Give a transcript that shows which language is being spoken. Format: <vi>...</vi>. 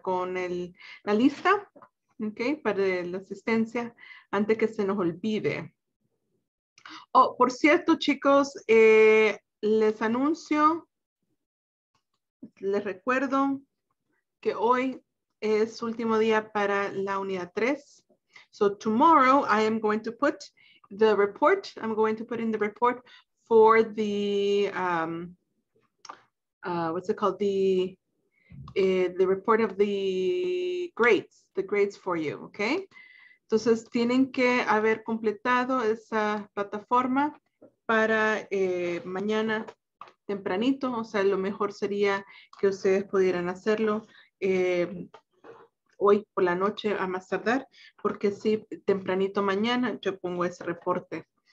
<es>Con la lista, okay, para la asistencia, antes que se nos olvide. Oh, por cierto, chicos, les anuncio, les recuerdo que hoy es último día para la unidad 3.</es> <en>So tomorrow I am going to put the report. I'm going to put in the report for the, what's it called? The report of the grades for you, okay?</en> <es>Entonces tienen que haber completado esa plataforma para mañana tempranito. O sea, lo mejor sería que ustedes pudieran hacerlo. Hoy por la noche a más tardar, porque si tempranito mañana yo pongo ese reporte.</es>